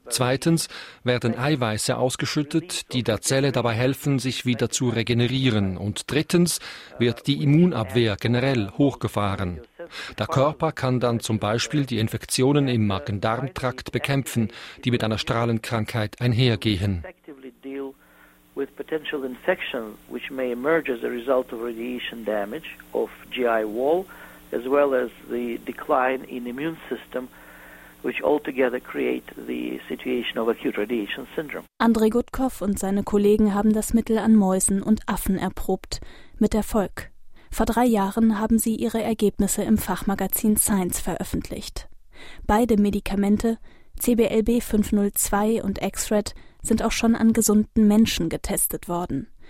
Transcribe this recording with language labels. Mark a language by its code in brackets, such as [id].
[de] Zweitens werden Eiweiße ausgeschüttet, die der Zelle dabei helfen, sich wieder zu regenerieren. Und drittens wird die Immunabwehr generell hochgefahren. Der Körper kann dann zum Beispiel die Infektionen im Magen-Darm-Trakt bekämpfen, die mit einer Strahlenkrankheit einhergehen. [en] With potential infection which may emerge as a result of radiation damage of GI wall as well as the decline in immune system which altogether create the situation of acute radiation syndrome. [de] Andrei Gutkov und seine Kollegen haben das Mittel an Mäusen und Affen erprobt, mit Erfolg. Vor 3 Jahren haben sie ihre Ergebnisse im Fachmagazin Science veröffentlicht. Beide Medikamente, CBLB 502 und X-Red, sind auch schon an gesunden Menschen getestet worden.